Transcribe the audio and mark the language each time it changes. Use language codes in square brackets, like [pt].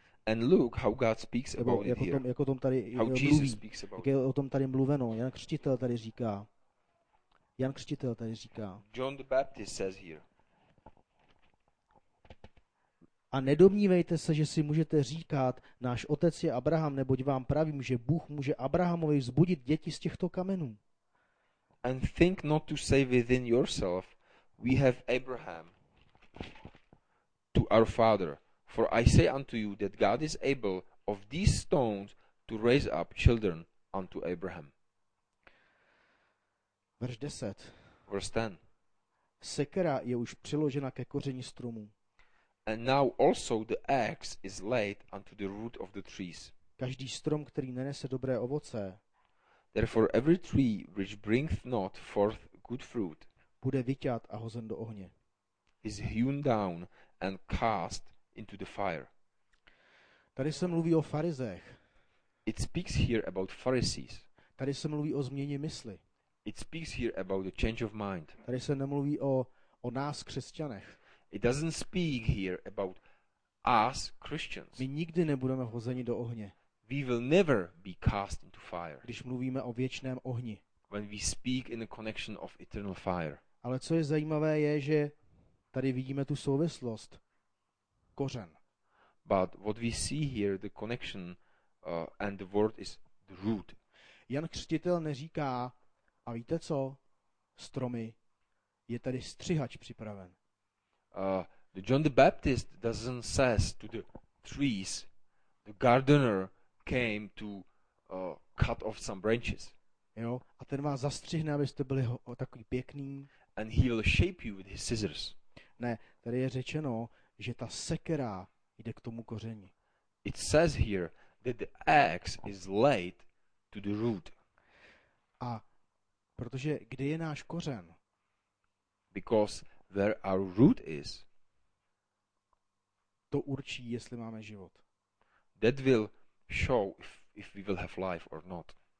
[en] And look how God speaks about it here. [cs] Jak o tom tady mluví. Jak je o tom tady mluveno. Jan Křtitel tady říká. Jan Křtitel tady říká. [en] John the Baptist says here. [cs] A nedomnívejte se, že si můžete říkat, náš otec je Abraham, neboť vám pravím, že Bůh může Abrahamovi vzbudit děti z těchto kamenů. [en] And think not to say within yourself, we have Abraham to our father. For I say unto you that God is able of these stones to raise up children unto Abraham. [cs] Verš 10. [en] Verse 10. [cs] Sekera je už přiložena ke koření stromů. [en] And now also the axe is laid unto the root of the trees. [cs] Každý strom, který nenese dobré ovoce, [en] therefore every tree which bringeth not forth good fruit, [cs] bude vyťat a hozen do ohně. [en] Is hewn down and cast into the fire. [cs] Tady se mluví o farizech. [en] It speaks here about Pharisees. [cs] Tady se mluví o změně mysli. [en] It speaks here about the change of mind. [cs] Tady se nemluví o nás křesťanech. [en] It doesn't speak here about us Christians. [cs] My nikdy nebudeme hozeni do ohně. [en] We will never be cast into fire. [cs] Když mluvíme o věčném ohni. [en] When we speak in the connection of eternal fire. [cs] Ale co je zajímavé je, že tady vidíme tu souvislost. Kořen. [en] But what we see here, the connection and the word is the root. [cs] Jan Křtitel neříká, a víte co, stromy, je tady střihač připraven. [en] The John the Baptist doesn't says to the trees, the gardener came to cut off some branches. [cs] Jo, a ten vás zastřihne, abyste byli takový pěkný. [en] And he will shape you with his scissors. [cs] Ne, tady je řečeno, že ta sekera jde k tomu koření. [en] It says here that the axe is laid to the root. [cs] A protože kde je náš kořen? [en] Because where our root is. [cs] To určí, jestli máme život. [en] That will show if we will have life or not.